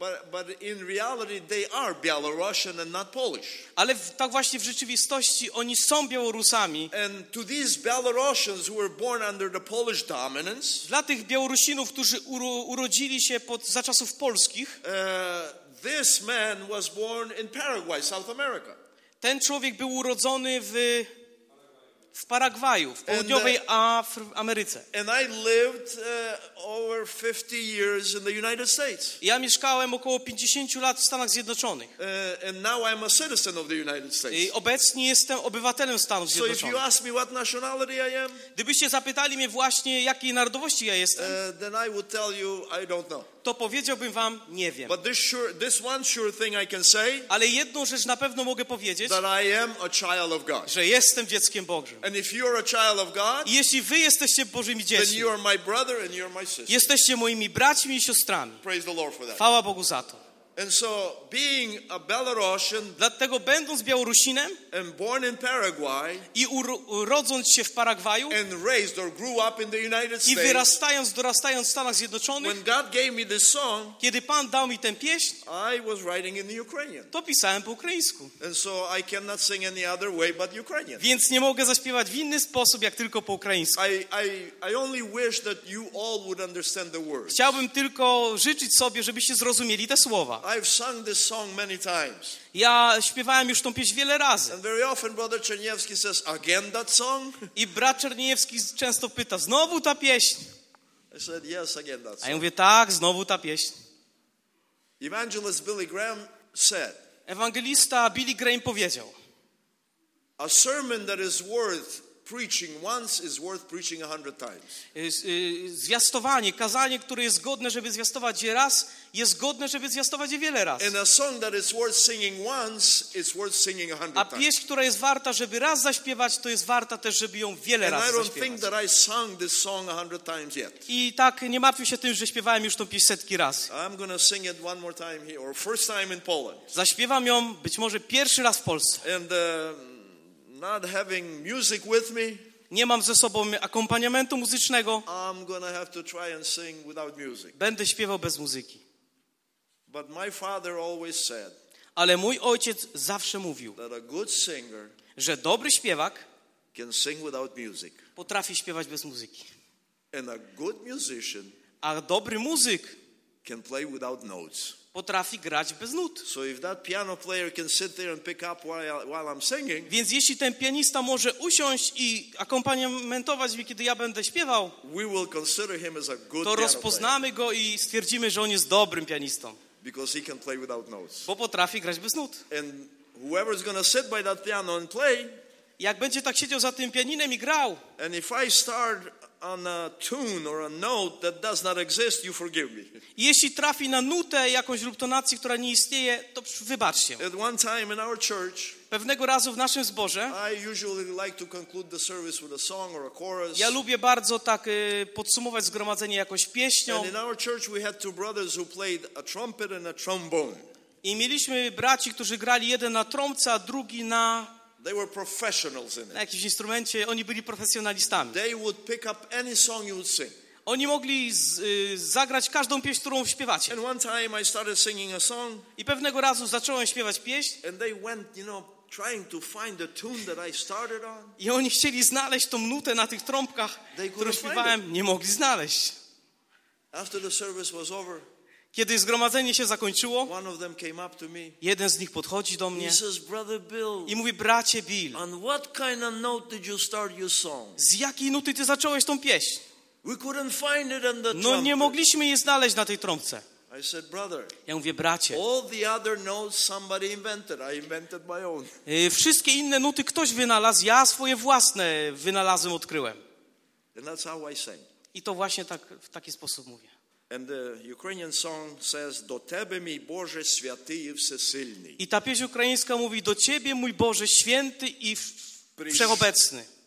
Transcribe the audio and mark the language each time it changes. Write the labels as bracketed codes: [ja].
[en] But in reality they are Belarusian and not Polish. [pl] Ale tak właśnie w rzeczywistości oni są Białorusami. [en] And to these Belarusians who were born under the Polish dominance. [pl] Dla tych Białorusinów, którzy urodzili się za czasów polskich. [en] This man was born in Paraguay, South America. [pl] Ten człowiek był urodzony w Paragwaju, w południowej Ameryce. [en] And I lived over 50 years in the United States. [pl] Ja mieszkałem około 50 lat w Stanach Zjednoczonych. [en] And now I'm a citizen of the United States. [pl] I obecnie jestem obywatelem Stanów Zjednoczonych. [en] So if you ask me what nationality I am, [pl] gdybyście zapytali mnie właśnie, jakiej narodowości ja jestem, [en] then I would tell you I don't know. [pl] To powiedziałbym wam, nie wiem. [en] But this one sure thing I can say, [pl] ale jedną rzecz na pewno mogę powiedzieć, [en] that I am a child of God. [pl] Że jestem dzieckiem Bożym. [en] And if you are a child of God, [pl] i jeśli wy jesteście Bożymi dziećmi, [en] then you are my brother and you are my sister. [pl] Jesteście moimi braćmi i siostrami. [en] Praise the Lord for that. [pl] Chwała Bogu za to. [en] And so, being a Belarusian, [pl] dlatego będąc Białorusinem, [en] and born in Paraguay, [pl] i urodząc się w Paragwaju, [en] and raised or grew up in the United States, [pl] i wyrastając, dorastając w Stanach Zjednoczonych, [en] when God gave me this song, [pl] kiedy Pan dał mi tę pieśń, [en] I was writing in the Ukrainian. [pl] To pisałem po ukraińsku. [en] And so I cannot sing any other way but Ukrainian. [pl] Więc nie mogę zaśpiewać w inny sposób, jak tylko po ukraińsku. [en] I only wish that you all would understand the words. [pl] Chciałbym tylko życzyć sobie, żebyście zrozumieli te słowa. [en] I've sung this song many times. [pl] Ja śpiewałem już tą pieśń wiele razy. [en] And very often brother Czerniewski says, again that song? [pl] I brat Czerniewski często pyta, znowu ta pieśń? [en] I said, yes, again that song. [pl] A ja mówię, tak, znowu ta pieśń. [en] Evangelist Billy Graham said, [pl] ewangelista Billy Graham powiedział, [en] a sermon that is worth preaching once is worth preaching 100 times. [pl] Zwiastowanie, kazanie, które jest godne, żeby zwiastować je raz, jest godne, żeby zwiastować je wiele razy. [en] And a song that is worth singing once is worth singing 100 times. [pl] A pieśń, która jest warta, żeby raz zaśpiewać, to jest warta też, żeby ją wiele razy zaśpiewać. [en] And I don't think that I sung this song 100 times yet. [pl] I tak nie martwię się tym, że śpiewałem już tą pieśń setki razy. [en] I'm gonna sing it one more time here, or first time in Poland. [pl] Zaśpiewam ją być może pierwszy raz w Polsce. [en] And not having music with me. [pl] Nie mam ze sobą akompaniamentu muzycznego. [en] I'm gonna have to try and sing without music. [pl] Będę śpiewał bez muzyki. [en] But my father always said. [pl] Ale mój ojciec zawsze mówił, [en] that a good singer, [pl] że dobry śpiewak, [en] can sing without music. [pl] Potrafi śpiewać bez muzyki. [en] And a good musician, [pl] a dobry muzyk, [en] can play without notes. [pl] Potrafi grać bez nut. [en] So if that piano player can sit there and pick up while I'm singing, [pl] więc jeśli ten pianista może usiąść i akompaniamentować mi, kiedy ja będę śpiewał, [en] we will consider him as a good, [pl] to rozpoznamy go i stwierdzimy, że on jest dobrym pianistą. [en] Because he can play without notes. [pl] Bo potrafi grać bez nut. [en] And whoever's gonna sit by that piano and play, [pl] jak będzie tak siedział za tym pianinem i grał, [en] and if I start on a tune or a note that does not exist, you forgive me. [pl] Jeśli trafi na nutę jakąś lub tonację, która nie istnieje, to wybacz się. [en] At one time in our church, [pl] pewnego razu w naszym zborze, [en] I usually like to conclude the service with a song or a chorus. [pl] Ja lubię bardzo tak podsumować zgromadzenie jakąś pieśnią. [en] And in our church we had two brothers who played a trumpet and a trombone. [pl] I mieliśmy braci, którzy grali jeden na trąbce, a drugi na... [en] They were professionals in it. [pl] Na jakimś instrumencie, oni byli profesjonalistami. [en] They would pick up any song you would sing. [pl] Oni mogli zagrać każdą pieśń, którą śpiewacie. [en] And one time I started singing a song. [pl] I pewnego razu zacząłem śpiewać pieśń. [en] And they went, you know, trying to find the tune that I started on. [pl] I oni chcieli znaleźć tą nutę na tych trąbkach, którą śpiewałem, nie mogli znaleźć. [en] After the service was over, [pl] kiedy zgromadzenie się zakończyło, [en] one of them came up to me, [pl] jeden z nich podchodzi do mnie, [en] he says, "Brother Bill, [pl] i mówi, bracie Bill, [en] on what kind of note did you start your song? [pl] Z jakiej nuty ty zacząłeś tą pieśń? [en] We couldn't find it on the [pl] no nie mogliśmy jej znaleźć na tej trąbce. [en] I said, brother, [pl] ja mówię, bracie, [en] all the other notes somebody invented. I invented my own. [pl] Wszystkie inne nuty ktoś wynalazł, ja swoje własne wynalazłem, odkryłem. [en] And that's how I sang. [pl] I to właśnie tak, w taki sposób mówię. [en] And the Ukrainian song says, [uk] "Do Tebe, mój Boże, święty i wszechsilny." [pl] I ta pieśń ukraińska mówi: "Do Ciebie, mój Boże, święty i wszechobecny."